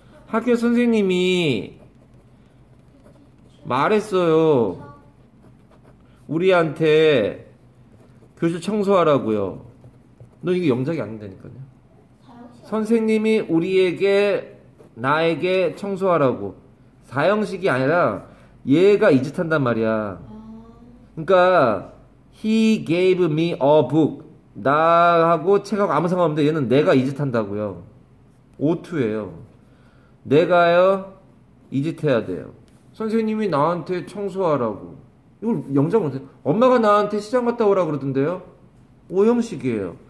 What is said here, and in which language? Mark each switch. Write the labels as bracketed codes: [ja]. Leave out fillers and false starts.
[ko] 학교 선생님이 말했어요. 우리한테 교실 청소하라고요. 너 이게 영작이 아닌다니까요. 선생님이 우리에게 나에게 청소하라고. 사형식이 아니라 얘가 이 짓 한단 말이야. 그러니까 [en] he gave me a book. [ko] 나하고 책하고 아무 상관 없는데 얘는 내가 이 짓 한다고요. ought to예요. 내가요 이 짓 해야 돼요. 선생님이 나한테 청소하라고. 이걸 영장을 못해. 엄마가 나한테 시장 갔다 오라 그러던데요. 오형식이에요.